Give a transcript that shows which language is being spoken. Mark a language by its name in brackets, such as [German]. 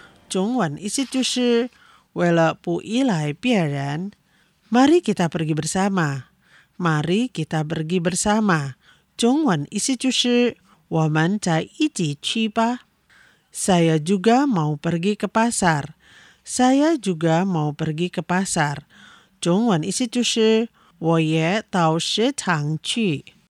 [Chinese] 中文意思就是为了不依赖别人。 [Indonesian] Mari kita pergi bersama. Mari kita pergi bersama. [Chinese] 中文意思就是 我们再一起去吧。 [Indonesian] Saya juga mau pergi ke pasar. Saya juga mau pergi ke pasar. [Chinese] 中文意思就是 我也到市场去。